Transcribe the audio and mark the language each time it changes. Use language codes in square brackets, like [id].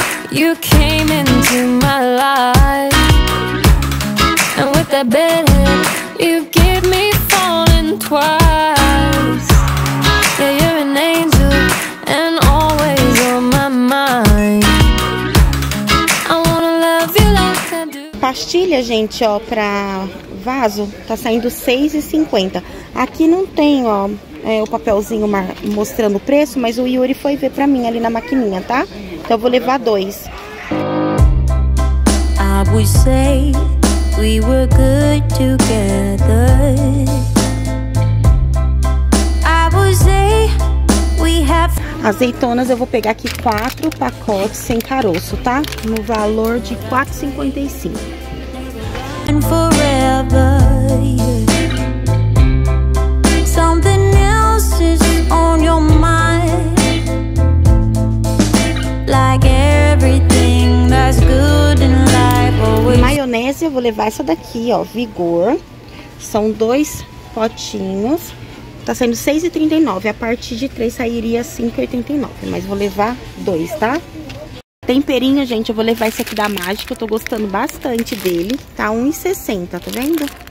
[en] You came into my life, and with that bedhead, you get me falling twice. Yeah, you're an angel, and always on my mind. I wanna love you like I do. [pt] Pastilha, gente, ó, pra vaso, tá saindo R$6,50. Aqui não tem, ó, o papelzinho mostrando o preço, mas o Yuri foi ver pra mim ali na maquininha, tá? Então eu vou levar 2. [en] I would say we were good together. I would say we have... [pt] Azeitonas eu vou pegar aqui 4 pacotes sem caroço, tá? No valor de R$4,55. And forever, yeah. [en] Something else is on your mind. Like everything that's good in life always... [pt] Maionese eu vou levar essa daqui, ó, Vigor. São 2 potinhos. Tá saindo R$6,39. A partir de 3 sairia R$5,89. Mas vou levar 2, tá? Temperinho, gente, eu vou levar esse aqui da Mágica. Eu tô gostando bastante dele. Tá R$1,60, tá vendo?